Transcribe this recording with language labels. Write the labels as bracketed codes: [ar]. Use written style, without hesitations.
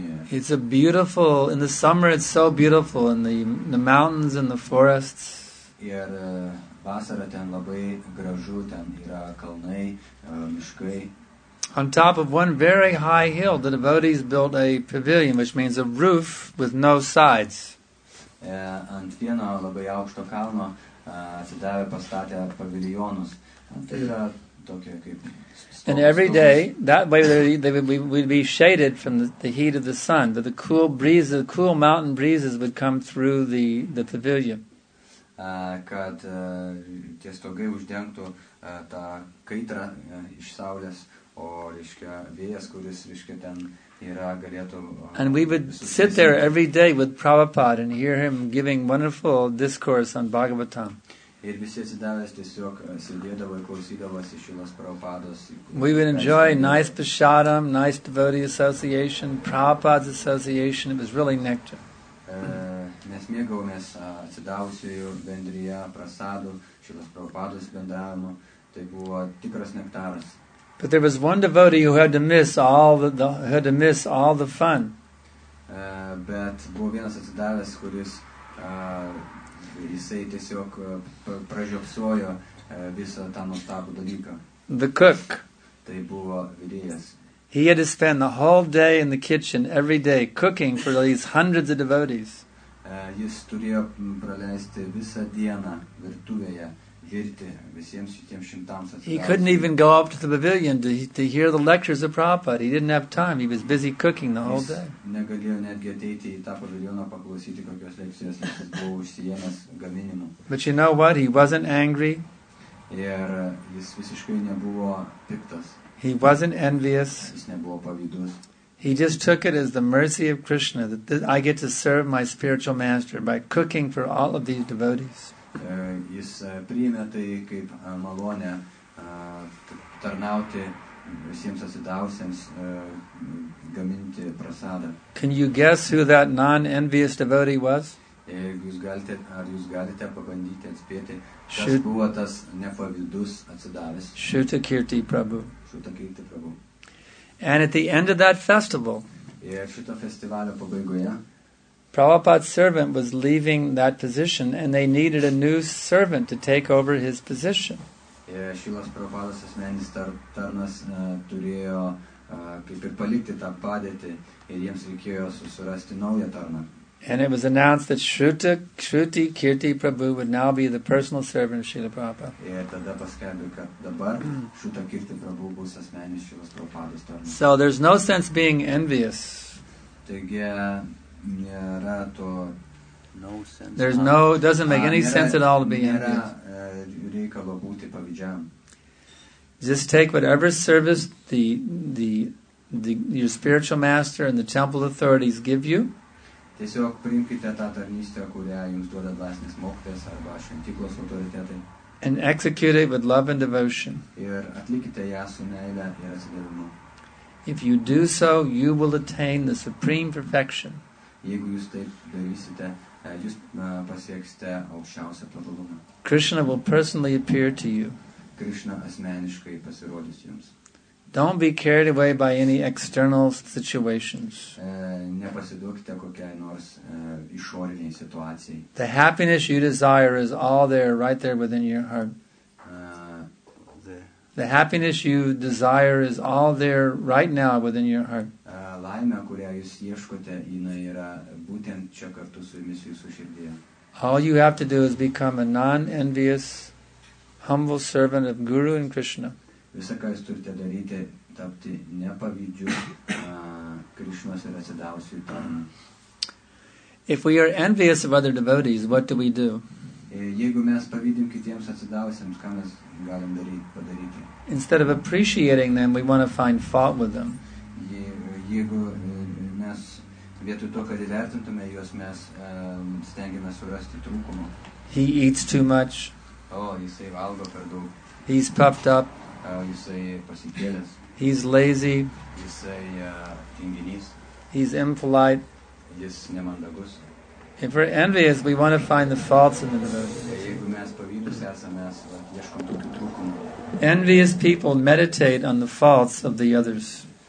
[en] It's a beautiful, in the summer it's so beautiful in the mountains and the forests. [lt] Ir vasarą ten labai gražu, ten yra kalnai, miškai. [en] On top of one very high hill, the devotees built a pavilion, which means a roof with no sides. [lt] Ant vieno labai aukšto kalno atsidavę pastatė pavilionus. Tai yra tokia kaip... [en] And every day, that way we'd be shaded from the heat of the sun, but the cool breezes, the cool mountain breezes would come through the pavilion. [lt] Kad tie stogai uždengtų tą kaitrą iš saulės, o reiškia vėjas, kuris reiškia ten yra, galėtų... [en] And we would sit there every day with Prabhupada and hear him giving wonderful discourse on Bhagavatam. [lt] Ir visi atsidavęs tiesiog sėdėdavo ir klausydavosi šilas Prabhupados. [en] We would enjoy nice prasadam, nice devotee association, Prabhupada's association. It was really nectar. [lt] Mes mėgavomės atsidavusiųjų bendryje prasadų, šilas Prabhupados bendravimo. Tai buvo tikras nektaras. [en] But there was one devotee who had to miss all the fun. [lt] Bet buvo vienas atsidavęs, kuris... jisai tiesiog pražiopsojo visą tą nuostabų dalyką. [en] The cook. [lt] Tai buvo virėjas. [en] He had to spend the whole day in the kitchen every day cooking for these hundreds of devotees. [lt] Jis turėjo praleisti visą dieną virtuvėje virti visiems šitiems šimtams atsidavusiems. [en] He couldn't even go up to the pavilion to hear the lectures of Prabhupada. He didn't have time. He was busy cooking the whole day. [lt] Jis negalėjo netgi ateiti į tą pavilioną paklausyti kokios lekcijos, nes jis buvo užsijėmęs gaminimu. [en] But you know what? He wasn't angry. [lt] Ir jis visiškai nebuvo piktas. [en] He wasn't envious. [lt] Jis nebuvo pavydus. [en] He just took it as the mercy of Krishna that I get to serve my spiritual master by cooking for all of these devotees. [lt] Jis priėmė tai kaip malonę tarnauti visiems atsidavusiems, gaminti prasadą. [en] Can you guess who that non-envious devotee was? [lt] Jūs galite pabandyti atspėti, kas buvo tas nepavydus atsidavęs? [en] Shutakirti Prabhu. [lt] Shutakirti Prabhu. [en] And at the end of that festival, [lt] šito festivalio pabaigoje, [en] Prabhupada's servant was leaving that position and they needed a new servant to take over his position. [lt] Šilas Prabhupada's asmeninis tarnas turėjo kaip ir palikti tą padėtį ir jiems reikėjo susirasti naują tarną. [en] And it was announced that Shruti Kirti Prabhu would now be the personal servant of Srila Prabhupada. [lt] Ir tada paskelbė, kad dabar Shruti Kirti Prabhu bus asmeninis Šilas Prabhupada's tarnas. [en] So there's no sense being envious. [lt] Taigi, nėra to, [en] no sense. There's no, it doesn't make any sense at all to be envious. Just take whatever service the your spiritual master and the temple authorities give you. [lt] Tiesiog priimkite tą tarnystę, kurią jums duoda dvasinės mokytės arba šventyklos autoritetai. [en] And execute it with love and devotion. [lt] Ir atlikite ją su meile ir atsidavimu. [en] If you do so, you will attain the supreme perfection. [lt] Jeigu jūs taip darysite, jūs pasieksite aukščiausią tobulumą. [en] Krishna will personally appear to you. [lt] Krishna asmeniškai pasirodys jums. [en] Don't be carried away by any external situations. [lt] Nepasiduokite kokiai nors išoriniai situacijai. [en] The happiness you desire is all there, right there within your heart. The happiness you desire is all there right now within your heart. [lt] Laimė, kurią jūs ieškote, jinai yra būtent čia kartu su jumis jūsų širdyje. [en] All you have to do is become a non-envious, humble servant of Guru and Krishna. [lt] Visa, ką jūs turite daryti, tapti nepavydžiu Krishnos ir atsidavusiu tarnu. [en] If we are envious of other devotees, what do we do? [lt] Jeigu mes pavydim kitiems atsidavusiems, ką mes galim daryti, padaryti? [en] Instead of appreciating them, we want to find fault with them. [lt] Jeigu mes vietoj to, kad įvertintume juos, mes stengiamės surasti trūkumą. [en] He eats too much. [lt] Oh, jisai valgo per daug. [en] He's puffed up. [lt] Jisai pasikėlęs. [en] He's lazy. [lt] Jisai tinginys. [en] He's impolite. [lt] Jis nemandagus. [en] If we're envious, we want to find the faults in the devotees. [lt] Jeigu mes pavydus esame, mes ieškom tokių trūkumų. [en] Envious people meditate on the faults of the others.